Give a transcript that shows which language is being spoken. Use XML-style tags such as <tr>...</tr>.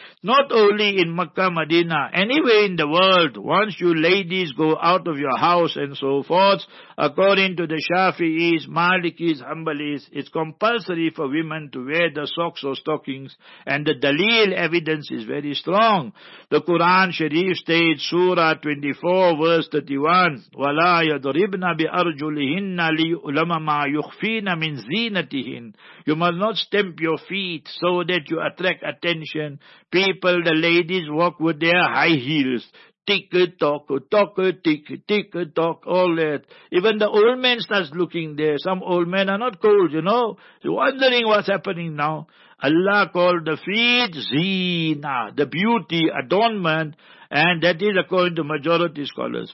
<en>Not only in Makkah, Medina, anywhere in the world, once you ladies go out of your house and so forth, according to the Shafi'is, Malikis, Hanbalis, it's compulsory for women to wear the socks or stockings. And the Dalil evidence is very strong. The Quran Sharif states, Surah 24, verse 31,</en> <ar>وَلَا يَضْرِبْنَ بِأَرْجُلِهِنَّ لِيُؤْلَمَمَا يُخْفِينَ مِنْ زِينَتِهِنَّ.</ar> <en>You must not stamp your feet so that you attract attention. People, the ladies walk with their high heels. Tick-tock, tock, tick, tick-tock, all that. Even the old man starts looking there. Some old men are not cold, you know. They're wondering what's happening now. Allah called the feet zina, the beauty, adornment, and that is according to majority scholars.</en>